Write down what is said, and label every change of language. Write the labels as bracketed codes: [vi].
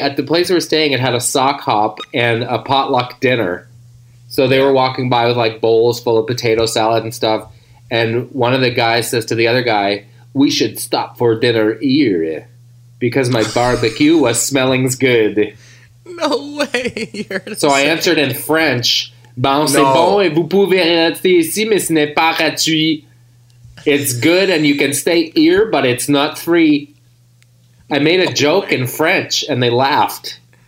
[en] At the place we were staying, it had a sock hop and a potluck dinner. So they were walking by with like bowls full of potato salad and stuff. And one of the guys says to the other guy, "We should stop for dinner here because my barbecue was smelling good." No way. So I answered in French, [fr] "Bon, c'est bon et vous pouvez rester ici, mais ce n'est pas gratuit." [en] It's good and you can stay here, but it's not free. I made a joke in French, and they laughed.